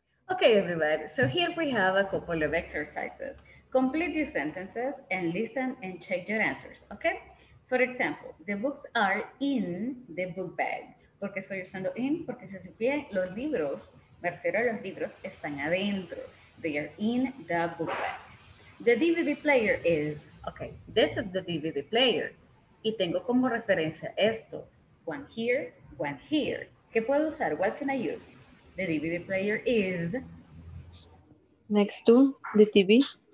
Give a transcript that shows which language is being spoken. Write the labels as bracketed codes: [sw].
[en] Okay, everybody. So here we have a couple of exercises. Complete these sentences and listen and check your answers, okay? For example, the books are in the book bag. [es] ¿Por qué estoy usando in? Porque si supieran, los libros, me refiero a los libros, están adentro. [en] They are in the book bag. The DVD player is, okay, this is the DVD player. [es] Y tengo como referencia esto, [en] one here, one here. [es] ¿Qué puedo usar? [en] What can I use? The DVD player is? Next to the TV.